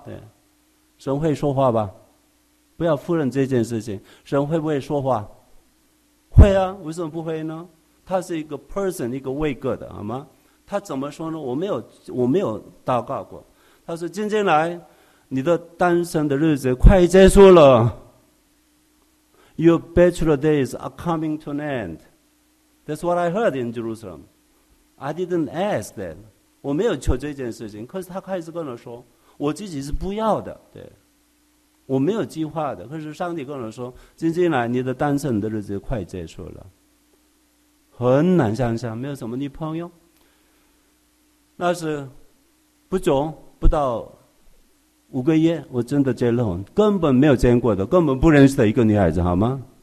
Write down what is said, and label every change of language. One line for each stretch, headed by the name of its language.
Chinese: 对，神会说话吧？不要否认这件事情。神会不会说话？会啊，为什么不会呢？他是一个 person， 一个 way God 的，好吗？他怎么说呢？我没有祷告过。他说：“今天来，你的单身的日子快结束了。
English: Your bachelor days are coming to an end. That's what I heard in Jerusalem.” I didn't ask that.
Chinese: 我没有求这件事情，可是他开始跟我说，我自己是不要的。对，我没有计划的，可是上帝跟我说，近近来你的单身的日子快结束了，很难想象，没有什么女朋友，那是不久不到五个月我真的结了婚，根本没有见过的，根本不认识的一个女孩子，好吗？